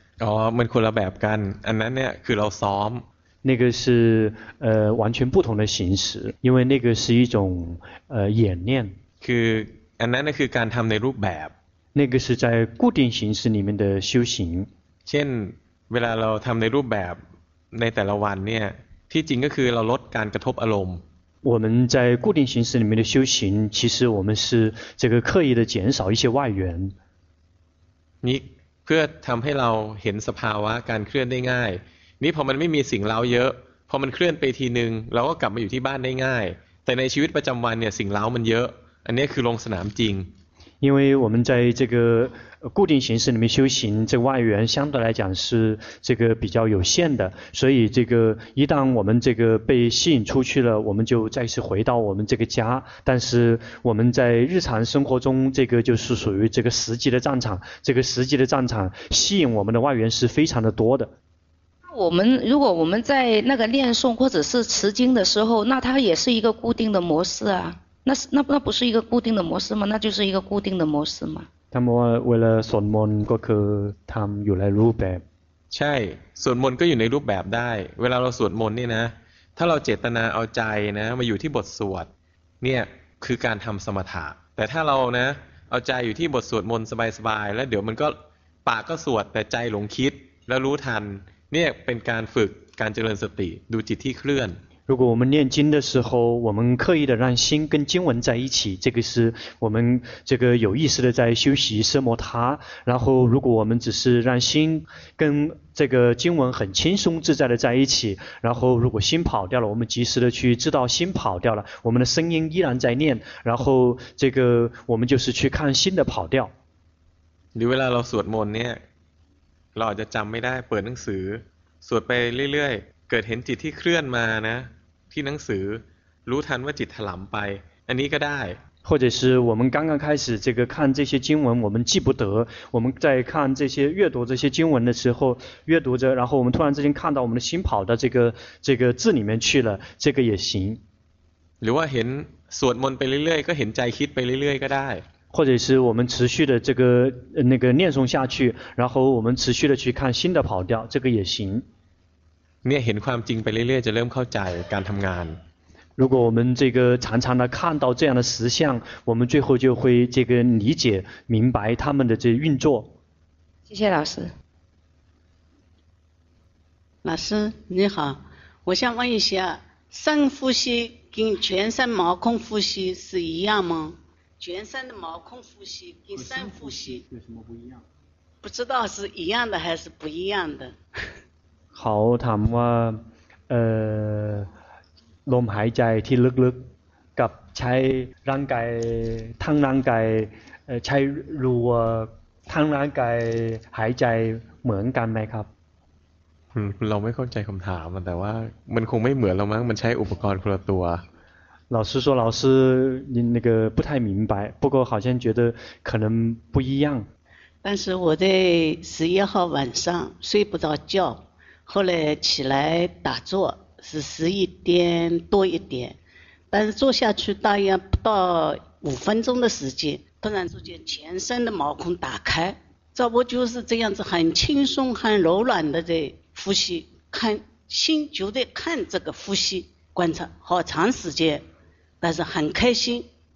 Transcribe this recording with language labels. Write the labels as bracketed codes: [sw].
[th] อ๋อมันคนละแบบกันอันนั้นเนี่ยคือเราซ้อม [zh] 那个是完全不同的形式因为那个是一种演练 [th] คืออันนั้นคือการทำในรูปแบบ [zh] 那个是在固定形式里面的修行 [th] เช่นเวลาเราทำในรูปแบบในแต่ละวันเนี่ยที่จริงก็คือเราลดการกระทบอารมณ์ [zh] 我们在固定形式里面的修行其实我们是这个刻意的减少一些外缘 [th] นี่เพื่อทำให้เราเห็นสภาวะการเคลื่อนได้ง่ายนี่พอมันไม่มีสิ่งเล้าเยอะพอมันเคลื่อนไปทีนึงเราก็กลับมาอยู่ที่บ้านได้ง่ายแต่ในชีวิตประจำวันเนี่ยสิ่งเล้ามันเยอะอันนี้คือลงสนามจริง [zh] 因为我们在这个固定形式里面修行这外缘相对来讲是这个比较有限的所以这个一旦我们这个被吸引出去了我们就再次回到我们这个家但是我们在日常生活中这个就是属于这个实际的战场这个实际的战场吸引我们的外缘是非常的多的我们如果我们在那个念诵或者是持经的时候，那它也是一个固定的模式啊。那不是一个固定的模式吗？那就是一个固定的模式吗？他们为了 [th] สวดมนต์ก็คือทำอยู่ในรูปแบบ ใช่สวดมนต์ก็อยู่ในรูปแบบได้เวลาเราสวดมนต์เนี่ยนะถ้าเราเจตนาเอาใจนะมาอยู่ที่บทสวดเนี่ยคือการทำสมถะแต่ถ้าเรานะเอาใจอยู่ที่บทสวดมนต์สบายๆแล้วเดี๋ยวมันก็ปากก็สวดแต่ใจหลงคิดแล้วรู้ทันเนี่ยเป็นการฝึกการเจริญสติดูจิตที่เคลื่อน [zh] 如果我们念经的时候我们刻意的让心跟经文在一起这个是我们这个有意识的在修习奢摩他然后如果我们只是让心跟这个经文很轻松自在的在一起然后如果心跑掉了我们及时的去知道心跑掉了我们的声音依然在念然后这个我们就是去看心的跑掉你为了老师我念 [th] เราอาจจะจำไม่ได้เปิดหนังสือสวดไปเรื่อยๆเกิดเห็นจิตที่เคลื่อนมานะที่หนังสือรู้ทันว่าจิตถลำไปอันนี้ก็ได้ [zh] 或者是我们刚刚开始这个看这些经文我们记不得我们在看这些阅读这些经文的时候阅读着然后我们突然之间看到我们的心跑到这个字里面去了这个也行 [th] หรือว่าเห็นสวดมนต์ไปเรื่อยๆก็เห็นใจคิดไปเรื่อยๆก็ได้ [zh] 或者是我们持续的这个那个念诵下去然后我们持续的去看新的跑掉这个也行 [th] เนี่ยเห็นความจริงไปเรื่อยๆจะเริ่มเข้าใจการทำงาน [zh] 如果我们这个常常的看到这样的实相，我们最后就会这个理解明白他们的这运作。谢谢老师。老师你好，我想问一下，深呼吸跟全身毛孔呼吸是一样吗？全身的毛孔呼吸跟深呼吸有什么不一样？不知道是一样的还是不一样的。好，他们说 [th] ลมหายใจที่ลึกๆกับใช้ร่างกายทั้งร่างกายใช้รูทั้งร่างกายหายใจเหมือนกันไหมครับ เราไม่เข้าใจคำถามแต่ว่ามันคงไม่เหมือนเรามั้งมันใช้อุปกรณ์คนละตัว [zh] 老师说老师那个不太明白不过好像觉得可能不一样但是我在11号晚上睡不着觉后来起来打坐是11点多一点但是坐下去大约不到5分钟的时间突然之间全身的毛孔打开照不就是这样子很轻松很柔软的在呼吸看心就在看这个呼吸观察好长时间但是很开心